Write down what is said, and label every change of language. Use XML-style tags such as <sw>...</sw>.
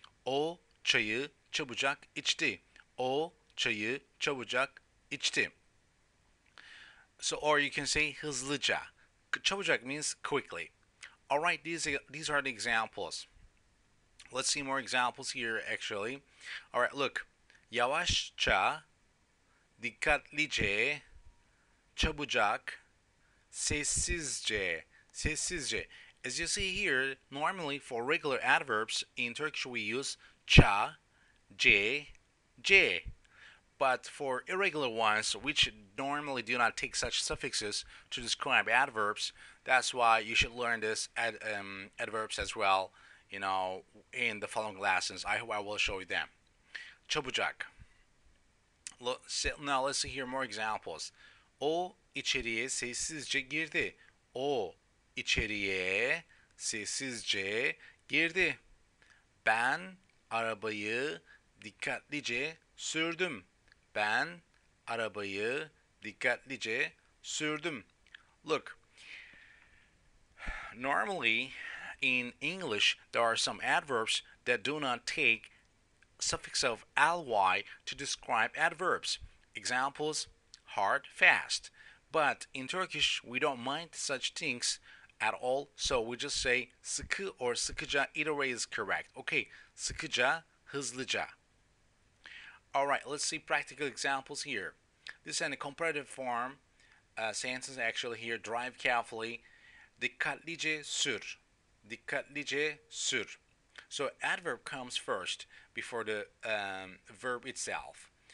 <tr>O çayı çabucak içti. O çayı çabucak içti.</tr> <en>So, or you can say hızlıca. Çabucak means quickly. All right, these are the examples. Let's see more examples here, actually. All right, look.</en> <tr>Yavaşça, dikkatlice, çabucak, sessizce, sessizce.</tr> <en>As you see here, normally for regular adverbs in Turkish we use ça, ce. But for irregular ones, which normally do not take such suffixes to describe adverbs, that's why you should learn this adverbs as well, in the following lessons. I hope I will show you them. Çabucak. Now let's see here more examples.</en> <tr>O içeriye sessizce girdi. O içeriye sessizce girdi. Ben arabayı dikkatlice sürdüm. Ben arabayı dikkatlice sürdüm.</tr> <en>Look, normally in English there are some adverbs that do not take suffix of ly to describe adverbs. Examples, hard, fast. But in Turkish we don't mind such things at all. So we just say sıkı or sıkıca. Either way is correct. Okay, sıkıca, hızlıca. All right, let's see practical examples here. This is in a comparative form. Sentence actually here, drive carefully.</en> <tr>Dikkatlice sür. Dikkatlice sür.</tr> <en>So adverb comes first before the verb itself.</en>